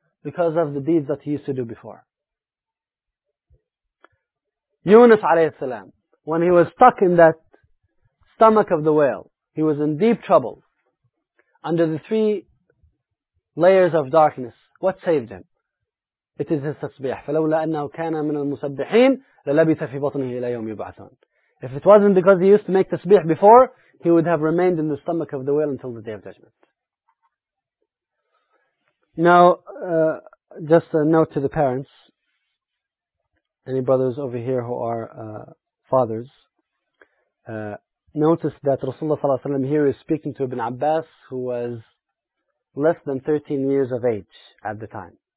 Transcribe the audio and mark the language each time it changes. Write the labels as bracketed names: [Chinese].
[English] Because of the deeds that he used to do before. Yunus alayhi salam, when he was stuck in that stomach of the whale, he was in deep trouble under the three layers of darkness. What saved him? It is his tasbih. [Arabic] فلولا أنه كان من المسبحين لَلَبِثَ فِي بَطْنِهِ إِلَى يَوْمِ يُبْعَثُونَ. [English] If it wasn't because he used to make tasbih before, he would have remained in the stomach of the whale until the Day of Judgment. Now, just a note to the parents, any brothers over here who are fathers, notice that Rasulullah sallallahu alayhi wa sallam here is speaking to Ibn Abbas, who was less than 13 years of age at the time.